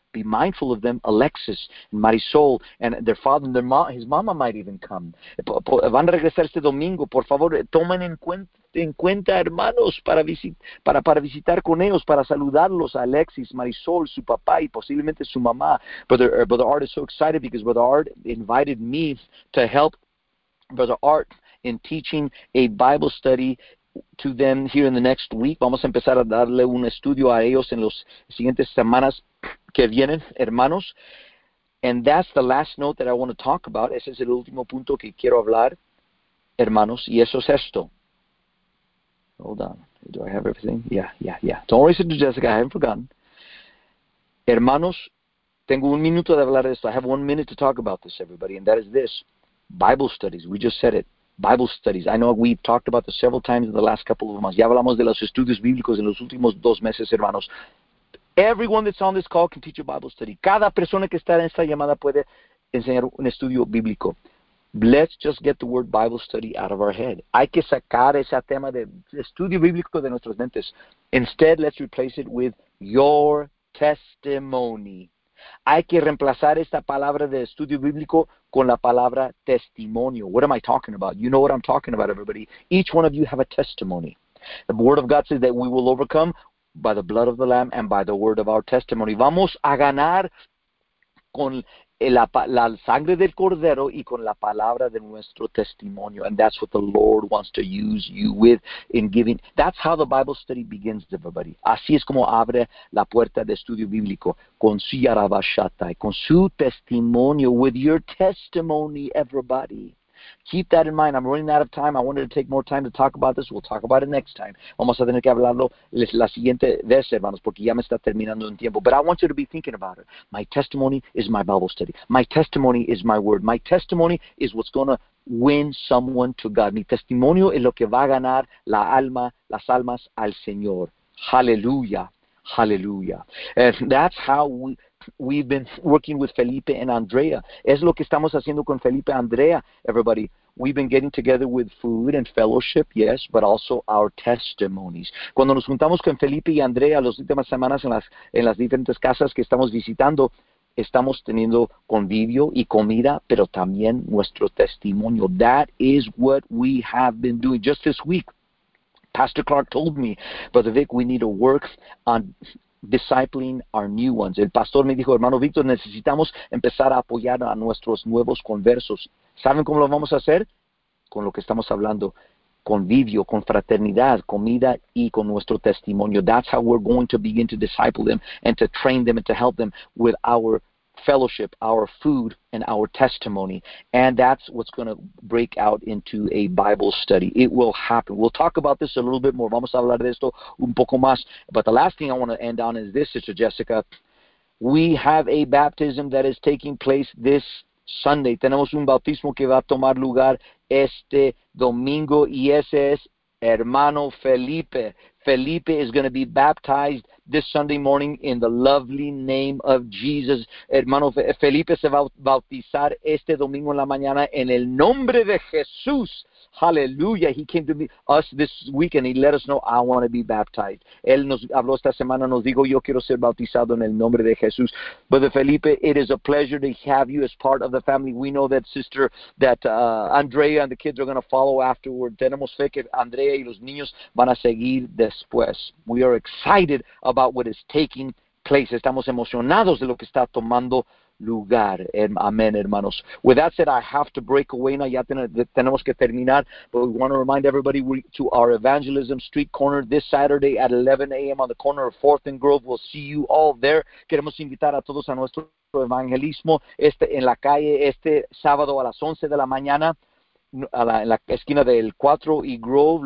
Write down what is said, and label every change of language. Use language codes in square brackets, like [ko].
[en] Be mindful of them, Alexis and Marisol, and their father and their mom. His mama might even come. [es] Van a regresar este domingo. Por favor, tomen en cuenta, hermanos, para visitar con ellos, para saludarlos, Alexis, Marisol, su papá y posiblemente su mamá. [en] Brother Art is so excited because Brother Art invited me to help Brother Art in teaching a Bible study to them here in the next week. [es] Vamos a empezar a darle un estudio a ellos en las siguientes semanas que vienen, hermanos. [en] And that's the last note that I want to talk about. [es] Ese es el último punto que quiero hablar, hermanos. Y eso es esto. [en] Hold on. Do I have everything? Yeah. Don't worry, Sister Jessica. I haven't forgotten. [es] Hermanos, tengo un minuto de hablar de esto. [en] I have 1 minute to talk about this, everybody. And that is this. Bible studies. We just said it. Bible studies. I know we've talked about this several times in the last couple of months. [es] Ya hablamos de los estudios bíblicos en los últimos dos meses, hermanos. [en] Everyone that's on this call can teach a Bible study. [es] Cada persona que está en esta llamada puede enseñar un estudio bíblico. [en] Let's just get the word Bible study out of our head. [es] Hay que sacar ese tema de estudio bíblico de nuestras mentes. [en] Instead, let's replace it with your testimony. [es] Hay que reemplazar esta palabra de estudio bíblico con la palabra testimonio. [en] What am I talking about? You know what I'm talking about, everybody. Each one of you have a testimony. The Word of God says that we will overcome by the blood of the Lamb and by the word of our testimony. [es] Vamos a ganar con la sangre del Cordero y con la palabra de nuestro testimonio. [en] And that's what the Lord wants to use you with in giving. That's how the Bible study begins, everybody. [es] Así es como abre la puerta de estudio bíblico. Con su yarabashata, con su testimonio, [en] with your testimony, everybody. Keep that in mind. I'm running out of time. I wanted to take more time to talk about this. We'll talk about it next time. [es] Vamos a tener que hablarlo la siguiente vez, hermanos, porque ya me está terminando el tiempo. [en] But I want you to be thinking about it. My testimony is my Bible study. My testimony is my word. My testimony is what's going to win someone to God. [es] Mi testimonio es lo que va a ganar la alma, las almas al Señor. [en] Hallelujah. Hallelujah. And that's how we've been working with Felipe and Andrea. [es] Es lo que estamos haciendo con Felipe y Andrea, everybody. [en] We've been getting together with food and fellowship, yes, but also our testimonies. [es] Cuando nos juntamos con Felipe y Andrea las últimas semanas en las diferentes casas que estamos visitando, estamos teniendo convivio y comida, pero también nuestro testimonio. [en] That is what we have been doing just this week. Pastor Clark told me, Brother Vic, we need to work on discipling our new ones. [es] El pastor me dijo, hermano Víctor, necesitamos empezar a apoyar a nuestros nuevos conversos. ¿Saben cómo lo vamos a hacer? Con lo que estamos hablando, convivio, con fraternidad, comida y con nuestro testimonio. [en] That's how we're going to begin to disciple them and to train them and to help them with our fellowship, our food, and our testimony. And that's what's going to break out into a Bible study. It will happen. We'll talk about this a little bit more. [es] Vamos a hablar de esto un poco más. [en] But the last thing I want to end on is this, Sister Jessica. We have a baptism that is taking place this Sunday. [es] Tenemos un bautismo que va a tomar lugar este domingo. Y ese es Hermano Felipe. [en] Felipe is going to be baptized this Sunday morning in the lovely name of Jesus. [es] Hermano Felipe se va a bautizar este domingo en la mañana en el nombre de Jesús. [en] Hallelujah. He came to us this week and he let us know, I want to be baptized. [es] Él nos habló esta semana, nos dijo, yo quiero ser bautizado en el nombre de Jesús. [en] Brother Felipe, it is a pleasure to have you as part of the family. We know that sister, that Andrea and the kids are going to follow afterward. [es] Tenemos fe que Andrea y los niños van a seguir después. [en] We are excited about what is taking place. [es] Estamos emocionados de lo que está tomando lugar. Amen, hermanos. [en] With that said, I have to break away now. [es] Ya tenemos que terminar. [en] But we want to remind everybody to our evangelism street corner this Saturday at 11 a.m. on the corner of 4th and Grove. We'll see you all there. [es] Queremos invitar a todos a nuestro evangelismo en la calle este sábado a las 11 de la mañana en la esquina del 4 y Grove.